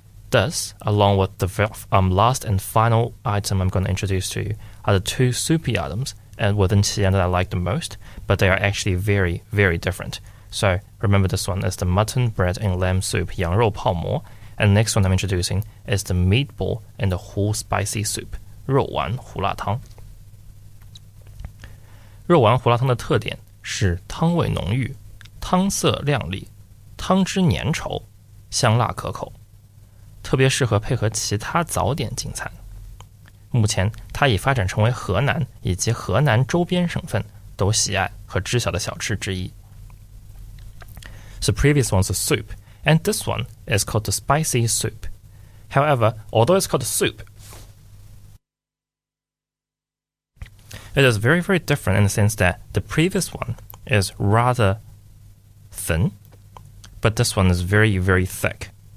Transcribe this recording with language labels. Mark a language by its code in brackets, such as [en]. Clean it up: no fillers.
[en] This, along with the last and final item I'm going to introduce to you,are the two soupy items and within Xi'an that I like the most, but they are actually very, very different. So remember this one is the mutton bread and lamb soup, 羊肉泡馍, and the next one I'm introducing is the meatball and the hu spicy soup, 肉丸胡辣汤。 [zh] 肉丸胡辣汤的特点是汤味浓郁，汤色亮丽，汤汁粘稠，香辣可口，特别适合配合其他早点进餐。目前它已发展成为河南以及河南周边省份都喜爱和知晓的小吃之一。 [en] So previous one's a soup, and this one is called the spicy soup. However, although it's called soup, it is very, very different in the sense that the previous one is rather thin, but this one is very, very thick.